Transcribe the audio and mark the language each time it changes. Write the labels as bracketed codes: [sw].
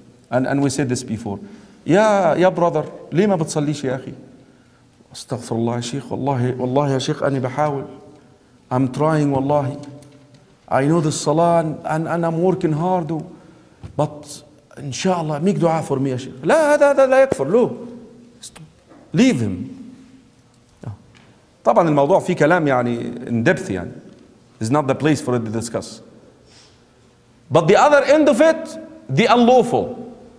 [en] And we said this before. يا brother, [ar] ليه ما بتصليش يا أخي? أستغفر الله يا شيخ. والله يا شيخ, أنا بحاول. [en] I'm trying, [ar] والله. [en] I know the salah and I'm working hard, but inshallah, make dua for me, Sheikh. [ar] لا, هذا لا يكفر. لو. [en] Leave him. Yeah. [ar] طبعا الموضوع في كلام يعني [en] in depth [ar] يعني. [en] It's not the place for it to discuss. But the other end of it, the unlawful.